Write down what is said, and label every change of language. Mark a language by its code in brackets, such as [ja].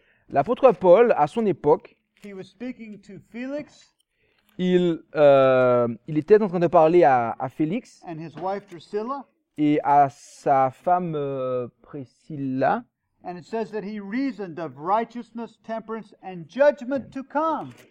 [fr] L'apôtre Paul à son époque. [en] He was speaking to Felix. [fr] Il était en train de parler à Félix. [en] And his wife Drusilla. [fr] et à sa femme Priscilla. [en] And it says that he reasoned of righteousness, temperance, and judgment to come.